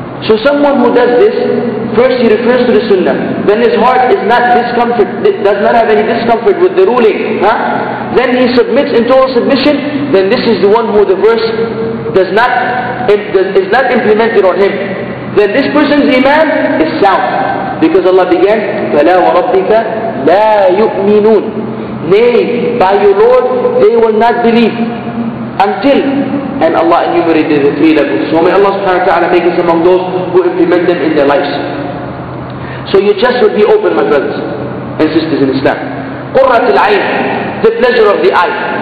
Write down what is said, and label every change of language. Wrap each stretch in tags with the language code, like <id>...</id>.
<en>So someone who does this, first he refers to the sunnah, then his heart is not discomfort, does not have any discomfort with the ruling, huh? Then he submits in total submission, then this is the one who the verse does not, is not implemented on him. Then this person's iman is sound. Because Allah began,</en> <ar>فَلَا وَرَبِّكَ لَا يُؤْمِنُونَ.</ar> <en>Nay, by your Lord, they will not believe until, and Allah enumerated the 3 levels. So may Allah subhanahu wa ta'ala make us among those who implement them in their lives. So your chest will be open, my brothers and sisters in Islam.</en> <ar>قُرَّةِ الْعَيْنِ,</ar> <en>the pleasure of the eye.</en>